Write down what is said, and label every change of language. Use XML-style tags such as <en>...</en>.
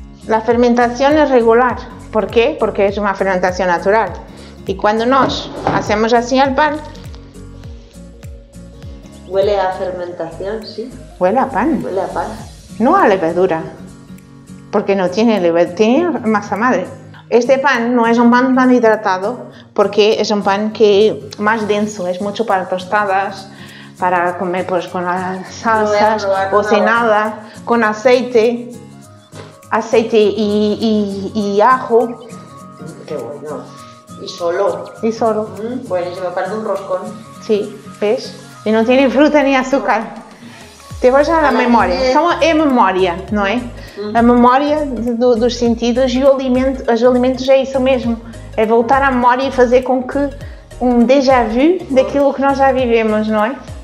<pt>A fermentação é regular. Por quê? Porque é uma fermentação natural. E quando nós fazemos assim ao pão,</pt> <es>huele a fermentación, sí. Huele a pan. Huele a pan. No a levadura, porque no tiene levadura, tiene masa madre. Este pan no es un pan tan hidratado, porque es un pan que más denso, es mucho para tostadas, para comer pues con las salsas, no o sin nada, con aceite, aceite y ajo. Qué bueno. Y solo. Y solo. Buenísimo, parece un roscón. Sí, ¿ves?</es> <pt>E não tem fruta nem açúcar. Te vou chamar a memória. Só é memória, não é? A memória dos sentidos e os alimentos é isso mesmo. É voltar à memória e fazer com que um déjà vu daquilo que nós já vivemos, não é?</pt>